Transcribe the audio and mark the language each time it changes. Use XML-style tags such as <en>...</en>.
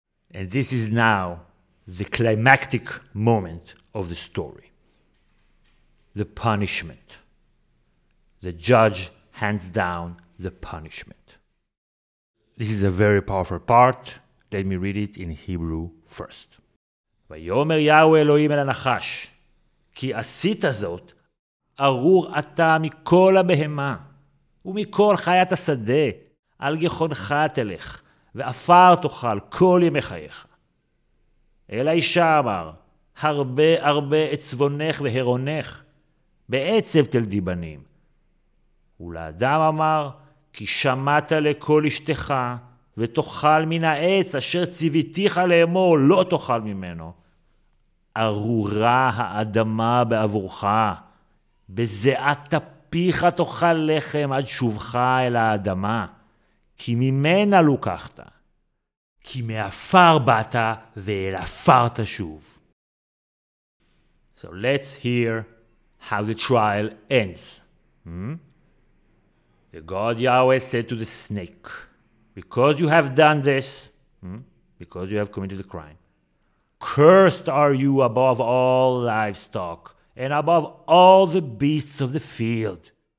<en>And this is now the climactic moment of the story. the punishment. The judge hands down the punishment. This is a very powerful part. Let me read it in Hebrew first.</en> <he>ויאמר יהוה אלוהים אל הנחש, כי עשית זאת, ארור אתה מכל הבהמה, ומכל חיית השדה, על גחונך תלך, ואפר תאכל כל ימי חייך. אל האישה אמר, הרבה הרבה את צבונך והרונך, בעצב תלדי בנים. ולאדם אמר, כי שמעת לכל אשתך, ותאכל מן העץ אשר ציוויתיך לאמור, לא תאכל ממנו. ארורה האדמה בעבורך, בזיעת אפיך תאכל לחם עד שובך אל האדמה, כי ממנה לוקחת, כי מאפר באת ואל אפר תשוב.</he> <en>So let's hear how the trial ends. The God Yahweh said to the snake, because you have done this, because you have committed a crime, cursed are you above all livestock and above all the beasts of the field.</en>